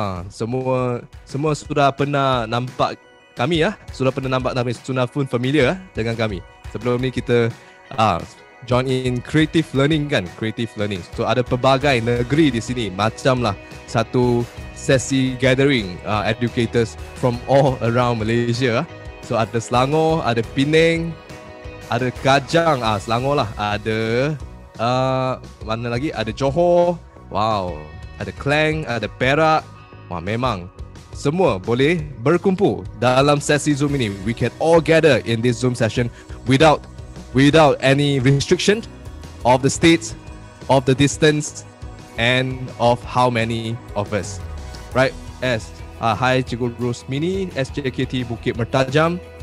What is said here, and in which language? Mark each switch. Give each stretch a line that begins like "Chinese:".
Malay: Semua sudah pernah nampak kami, ya. Sudah pernah nampak nama sudah pun familiar dengan kami. Sebelum ni kita
English: join in creative learning
Malay: kan, creative learning. So ada pelbagai negeri di sini, macamlah satu sesi
English: gathering educators from all around Malaysia.
Malay: So ada Selangor, ada Penang, ada Kajang, Selangor lah. Ada mana lagi? Ada Johor. Wow. Ada Klang, ada Perak. Wah, memang semua boleh berkumpul dalam sesi Zoom ini.
English: We can all gather in this Zoom session without any restriction of the state, of the distance, and of how many of us. Right? Yes.
Malay: Hi, Cikgu Rosmini, SJKT Bukit Mertajam.